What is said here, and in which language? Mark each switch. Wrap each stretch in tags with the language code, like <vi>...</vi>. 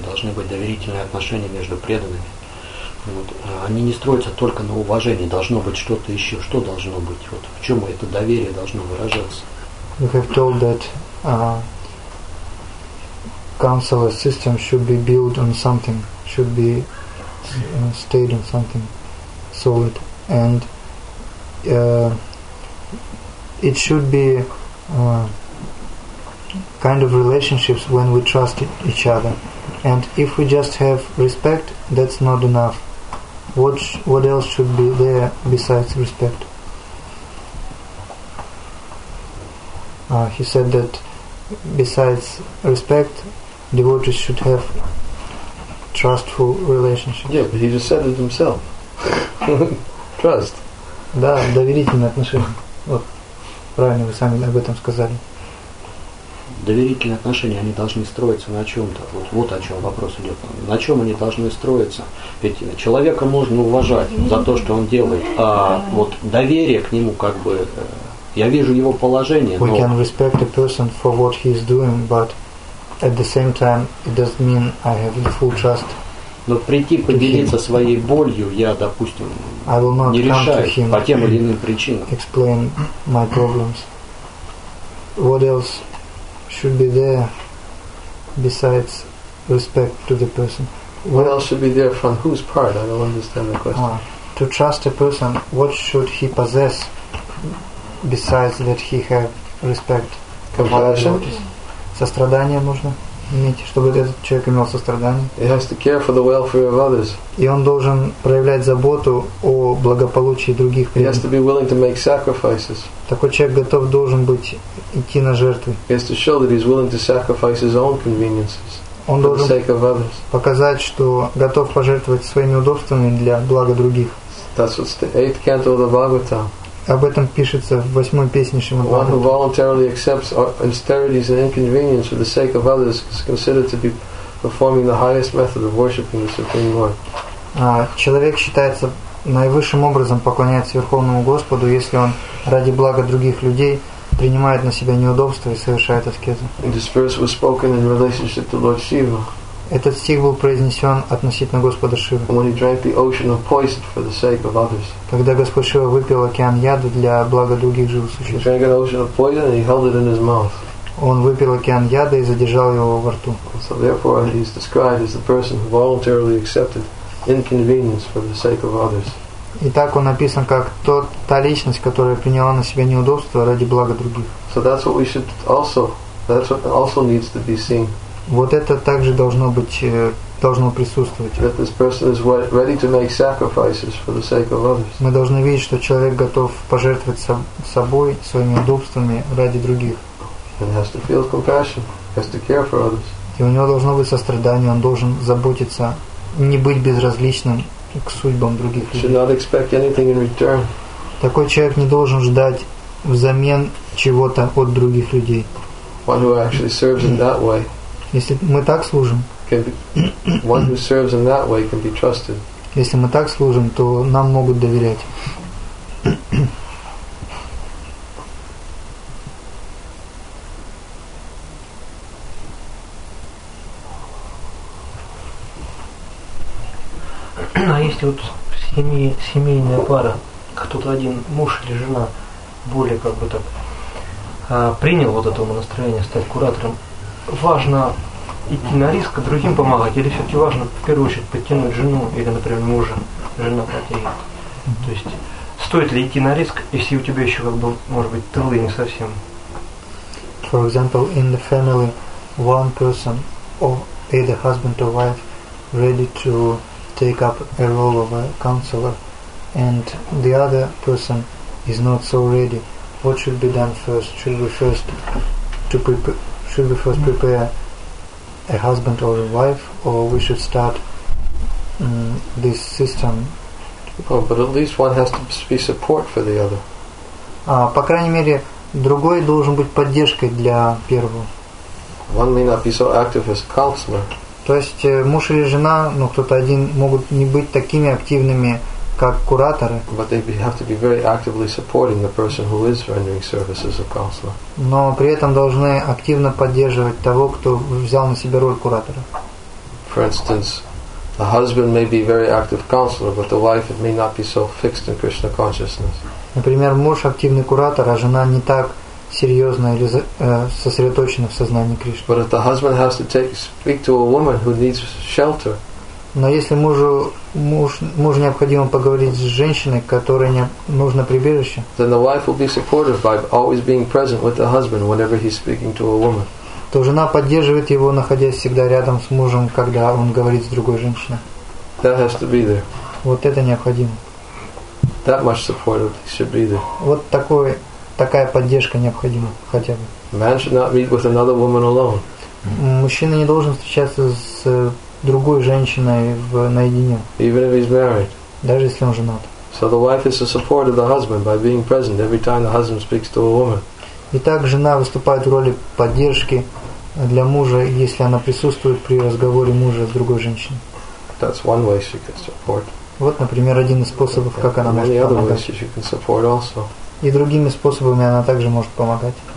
<ru>Должны быть доверительные отношения между преданными. Вот. Они не строятся только на уважении. Должно быть что-то еще. Что должно быть? Вот в чем это доверие должно выражаться?</ru> <en>You have told that council system should be built on something, should be stayed on something. solid, and it should be kind of relationships when we trust each other. And if we just have respect, that's not enough. What else should be there besides respect? He said that besides respect, devotees should have trustful relationships. Yeah, but he just said it himself. Trust.</en> <ru>Да, доверительные отношения. Вот, правильно вы сами об этом сказали. Доверительные отношения, они должны строиться на чем-то. Вот, вот о чем вопрос идет. На чем они должны строиться? Ведь человека можно уважать за то, что он делает. А вот доверие к нему, как бы, я вижу его положение.</ru> <en>We can respect a person for what he is doing, but at the same time, it doesn't mean I have full trust.</en> <ru>Но прийти поделиться своей болью, я, допустим, не решаю по тем или иным причинам.</ru> <en>Explain my problems. What else should be there besides respect to the person? What else should be there from whose part? I don't understand the question. To trust a person, what should he possess besides that he have respect? Compassion.</en> <ru>Сострадание нужно иметь, чтобы этот человек имел сострадание.</ru> <en>He has to care for the welfare of others.</en> <ru>И он должен проявлять заботу о благополучии других.</ru> <en>He has to be willing to make sacrifices.</en> <ru>Такой человек готов должен быть идти на жертвы.</ru> <en>He has to show that he's willing to sacrifice his own conveniences for the sake of others.</en> <ru>Он должен показать, что готов пожертвовать своими удобствами для блага других.</ru> <en>That's what's the eighth canto of the Bhagavatam.</en> <ru>Об этом пишется в восьмой песне Шримад-Бхагаватам.</ru> <en>One who voluntarily accepts austerities and inconvenience for the sake of others is considered to be performing the highest method of worshiping the Supreme Lord.</en> <ru>Человек считается наивысшим образом поклоняется Верховному Господу, если он ради блага других людей принимает на себя неудобства и совершает аскезу.</ru> <en>This verse was spoken in relationship to Lord Shiva.</en> <ru>Этот стих был произнесен относительно Господа Шивы.</ru> <en>When he drank the ocean of poison for the sake of others.</en> <ru>Когда Господь Шива выпил океан яда для блага других живых существ.</ru> <en>He drank an ocean of poison and he held it in his mouth.</en> <ru>Он выпил океан яда и задержал его во рту.</ru> <en>So therefore he is described as the person who voluntarily accepted inconvenience for the sake of others.</en> <ru>Итак, он написан как та личность, которая приняла на себя неудобства ради блага других.</ru> <en>So that's what we should also, that's what also needs to be seen.</en> <ru>Вот это также должно быть, должно присутствовать.</ru> <en>That this person is ready to make sacrifices for the sake of others.</en> <ru>Мы должны видеть, что человек готов пожертвовать собой, своими удобствами ради других.</ru> <en>And has to feel compassion, has to care for others.</en> <ru>И у него должно быть сострадание, он должен заботиться, не быть безразличным к судьбам других людей.</ru> <en>Should not expect anything in return.</en> <ru>Такой человек не должен ждать взамен чего-то от других людей.</ru> <en>One who actually serves in that way.</en> <ru>Если мы так служим,</ru> <en>one who serves in that way can be trusted.</en> <ru>Если мы так служим, то нам могут доверять. А если вот семейная пара, кто-то один муж или жена более как бы так принял вот это настроение стать куратором, важно идти на риск, а другим помогать? Или все-таки важно в первую очередь подтянуть жену или, например, мужа, жена потеряет? То есть, стоит ли идти на риск, если у тебя еще, как бы, может быть, тылы не совсем?</ru> <en>For example, in the family, one person, or either husband or wife, ready to take up a role of a counselor, and the other person is not so ready. What should be done first? Should we first prepare a husband or a wife, or we should start this system? Oh, but at least one has to be support for the other.</en> <ru>По крайней мере, другой должен быть поддержкой для первого.</ru> <en>One may not be so active as a counselor.</en> <ru>То есть муж или жена, ну кто-то один, могут не быть такими активными, как кураторы.</ru> <en>But they have to be very actively supporting the person who is rendering services as a counselor.</en> <ru>Но при этом должны активно поддерживать того, кто взял на себя роль куратора.</ru> <en>For instance, the husband may be very active counselor, but the wife it may not be so fixed in Krishna consciousness.</en> <ru>Например, муж активный куратор, а жена не так серьезно или сосредоточена в сознании Кришны.</ru> <en>But if the husband has to speak to a woman who needs shelter.</en> <ru>Но если мужу необходимо поговорить с женщиной, которой нужно прибежище,</ru> <en>then the wife will be supported by always being present with the husband whenever he's speaking to a woman.</en> <ru>То жена поддерживает его, находясь всегда рядом с мужем, когда он говорит с другой женщиной.</ru> <en>That has to be there.</en> <ru>Вот это необходимо.</ru> <en>That much support should be there.</en> <ru>Вот такая поддержка необходима хотя бы.</ru> <en>Man should not meet with another woman alone.</en> <ru>Мужчина не должен встречаться с другой женщиной наедине.</ru> <en>Even if he's married.</en> <ru>Даже если он женат.</ru> <en>So the wife is the support of the husband by being present every time the husband speaks to a woman.</en> <ru>Итак, жена выступает в роли поддержки для мужа, если она присутствует при разговоре мужа с другой женщиной.</ru> <en>That's one way she can support.</en> <ru>Вот, например, один из способов, как она может помогать.</ru> <en>Many other ways she can support also.</en> <ru>И другими способами она также может помогать.</ru>